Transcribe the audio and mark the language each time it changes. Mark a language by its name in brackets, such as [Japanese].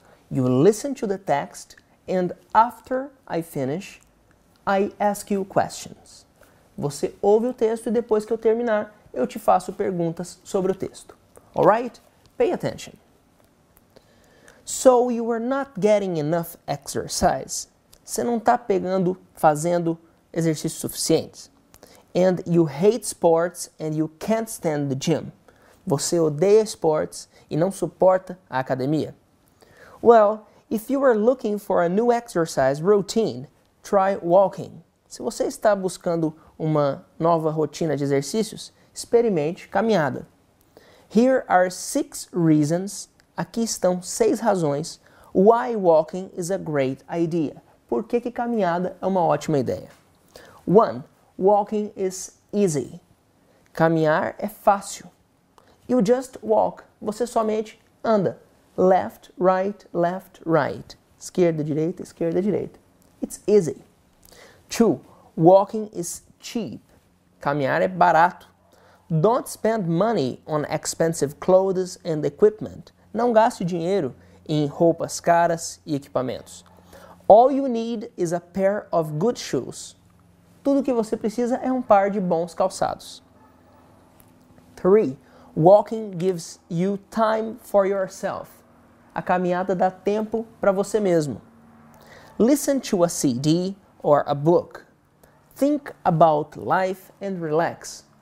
[English] You listen to the text, and after I finish, I ask you questions. [Portuguese] Você ouve o texto e depois que eu terminar, eu te faço perguntas sobre o texto. [English] All right? Pay attention. So you are not getting enough exercise. [Portuguese] Você não está pegando, fazendo exercícios suficientes. [English] And you hate sports and you can't stand the gym. [Portuguese] Você odeia esportes e não suporta a academia. [English] Well, if you are looking for a new exercise routine, try walking. [Portuguese] Se você está buscando uma nova rotina de exercícios, experimente caminhada. [English] Here are six reasons, [Portuguese] aqui estão seis razões, [English] why walking is a great idea. [Portuguese] Por que que caminhada é uma ótima ideia? [English] 1. Walking is easy. [Portuguese] Caminhar é fácil. [English] You just walk. [Portuguese] Você somente anda. [English] Left, right, left, right. [Portuguese] Esquerda, direita, esquerda, direita. [English] It's easy. [Portuguese] 2. [English] Walking is cheap. [Portuguese] Caminhar é barato. [English] Don't spend money on expensive clothes and equipment. [Portuguese] Não gaste dinheiro em roupas caras e equipamentos. [English] All you need is a pair of good shoes. [Portuguese] Tudo que você precisa é um par de bons calçados. [English] 3. Walking gives you time for yourself. [Portuguese] A caminhada dá tempo para você mesmo. [English] Listen to a CD or a book. Think about life and relax.